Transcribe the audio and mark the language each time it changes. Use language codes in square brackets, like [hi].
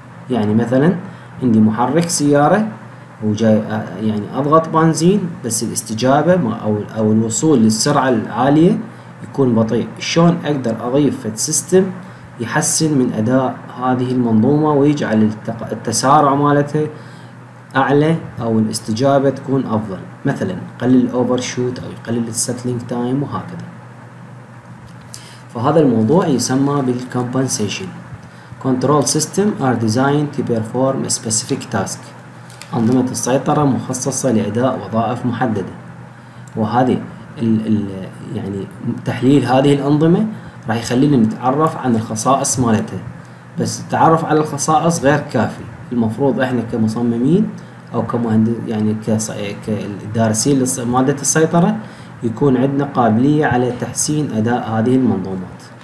[ar] يعني مثلا عندي محرك سيارة وجاي يعني أضغط بنزين بس الاستجابة أو الوصول للسرعة العالية يكون بطيء، شلون أقدر أضيف في السيستم يحسن من أداء هذه المنظومة ويجعل التسارع مالته أعلى أو الاستجابة تكون أفضل، مثلا قلل الأوفرشوت أو يقلل السيتلينج تايم وهكذا. فهذا الموضوع يسمى بالكمبنسيشن. [en] Control systems are designed to perform a specific task. [ar] أنظمة السيطرة مخصصة لأداء وظائف محددة، وهذه يعني تحليل هذه الأنظمة راح يخلينا نتعرف عن الخصائص مالته. بس التعرف على الخصائص غير كافي، المفروض احنا كمصممين او كمهندس يعني كدارسين لمادة السيطرة يكون عندنا قابلية على تحسين اداء هذه المنظومات.